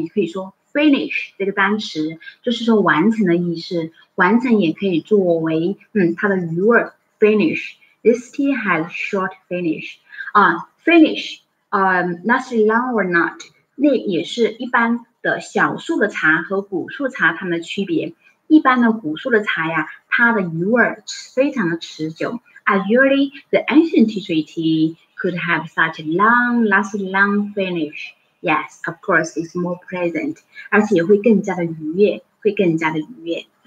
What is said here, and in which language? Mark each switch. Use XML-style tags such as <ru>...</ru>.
<zh>你可以说。Finish 这个单词就是说完成的意思，完成也可以作为它的余味 finish</zh> <en>This tea has short finish. Finish, not long or not.</en> <zh>那也是一般的小树的茶和古树茶它们的区别。一般的古树的茶呀，它的余味非常的持久。</zh> <en>Usually, the ancient tea tree tea could have such a long, last long finish. Yes, of course, it's more pleasant.</en> <zh>而且会更加的愉悦，会更加的愉悦。</zh>